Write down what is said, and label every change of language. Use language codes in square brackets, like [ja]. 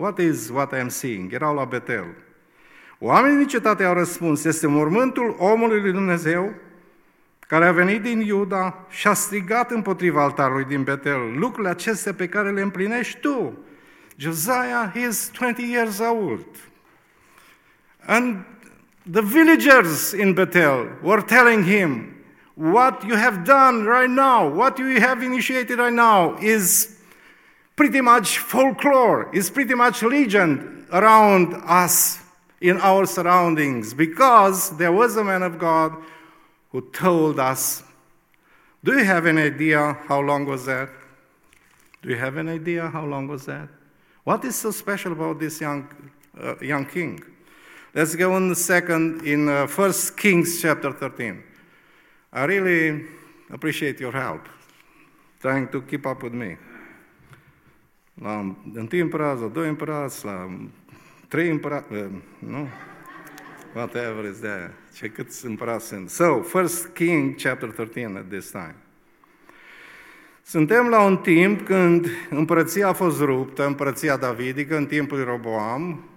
[en] What is what I am seeing? [ro] Erau la Betel. Oamenii din cetate au răspuns, este mormântul omului lui Dumnezeu care a venit din Iuda și a strigat împotriva altarului din Betel lucrurile acestea pe care le împlinești tu. [en] Josiah, he is 20 years old. And the villagers in Bethel were telling him, what you have done right now, what you have initiated right now, is pretty much folklore, is pretty much legend around us, in our surroundings, because there was a man of God who told us. Do you have an idea how long was that? Do you have an idea how long was that? What is so special about this young king? Let's go on the second in 1 Kings chapter 13. I really appreciate your help trying to keep up with me. [ro] La întâi împărat, la doi împărat, la trei împărat, no? [en] Whatever is there. [ro] Ce cât împărat sunt. [en] So, 1 Kings chapter 13 at this time. [ro] Suntem la un timp când împărăția a fost ruptă, împărăția davidică, în timpul lui Roboam.